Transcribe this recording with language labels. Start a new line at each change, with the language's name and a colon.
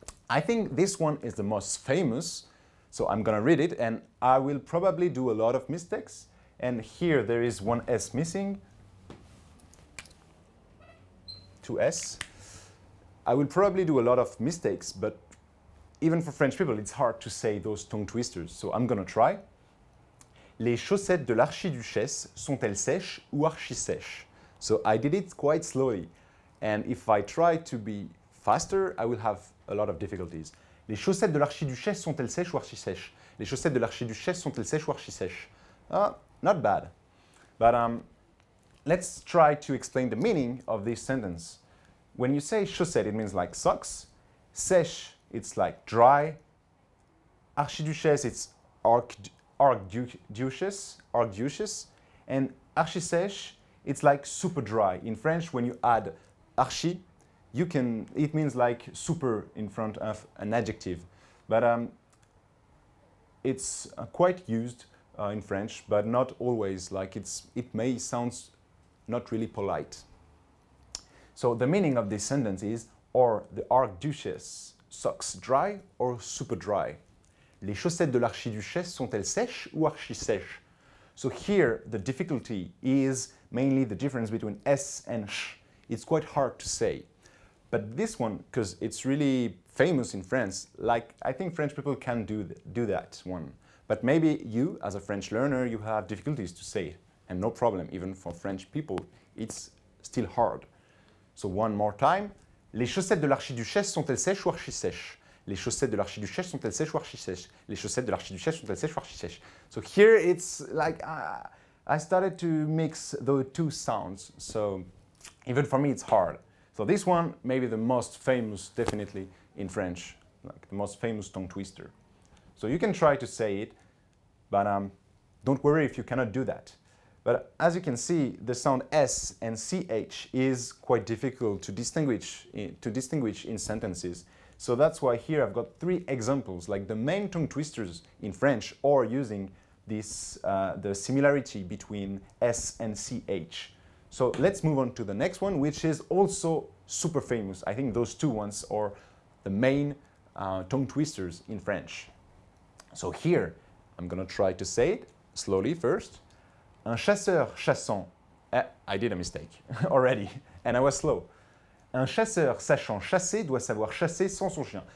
English: I think this one is the most famous, so I'm gonna read it and I will probably do a lot of mistakes. And here there is one S missing. Two S. I will probably do a lot of mistakes, but even for French people, it's hard to say those tongue twisters. So I'm gonna try.
French: Les chaussettes de l'archiduchesse sont-elles sèches ou archi-sèches?
English: So I did it quite slowly. And if I try to be faster, I will have a lot of difficulties.
French: Les chaussettes de l'archiduchesse sont-elles sèches ou archi-sèches? Les chaussettes de l'archiduchesse sont-elles sèches ou archi-sèches?
English: Not bad. But let's try to explain the meaning of this sentence. When you say chaussette, it means like socks. Sèche, it's like dry. Archiduchesse, it's archduchess, and archi-sèche, it's like super dry. In French, when you add archi, it means like super in front of an adjective. But it's quite used in French, but not always. Like it may sound not really polite. So the meaning of this sentence is, or the archduchess sucks dry or super dry.
French: Les chaussettes de l'archiduchesse sont-elles sèches ou archi-sèches?
English: So here, the difficulty is mainly the difference between S and SH. It's quite hard to say. But this one, because it's really famous in France, like, I think French people can do that one. But maybe you, as a French learner, you have difficulties to say it. And no problem, even for French people, it's still hard. So one more time.
French: Les chaussettes de l'archiduchesse sont-elles sèches ou archi-sèches? Les chaussettes de l'archiduchesse sont-elles sèches ou archi-sèches? Les chaussettes de l'archiduchesse sont-elles sèches ou archi-sèches?
English: So here it's like I started to mix the two sounds. So even for me it's hard. So this one may be the most famous, definitely, in French. Like the most famous tongue twister. So you can try to say it, but don't worry if you cannot do that. But as you can see, the sound S and CH is quite difficult to distinguish in sentences. So that's why here I've got three examples, like the main tongue twisters in French are using the similarity between S and CH. So let's move on to the next one, which is also super famous. I think those two ones are the main tongue twisters in French. So here, I'm gonna try to say it slowly first.
French: Un chasseur chassant.
English: I did a mistake already, and I was slow.
French: Un chasseur sachant chasser doit savoir chasser sans son chien.